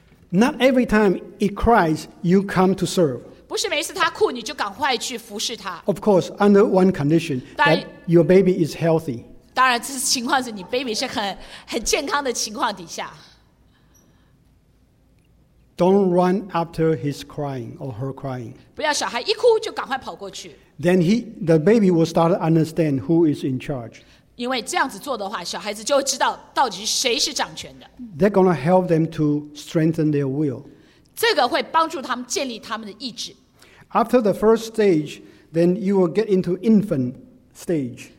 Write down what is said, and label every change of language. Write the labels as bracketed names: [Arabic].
[English] Not every time he cries, you come to serve. [Chinese] 不是每次他哭，你就赶快去服侍他。 [English] Of course, under one condition, that your baby is healthy. [Chinese] 当然，这是情况是你 baby 是很健康的情况底下。 [English] Don't run after his crying or her crying. [Chinese] 不要小孩一哭就赶快跑过去。 [English] Then the baby will start to understand who is in charge. [Chinese] 因为这样子做的话，小孩子就会知道到底谁是掌权的。 [English] They're going to help them to strengthen their will. [Chinese] 这个会帮助他们建立他们的意志。 [English] After the first stage, then you will get into infant stage.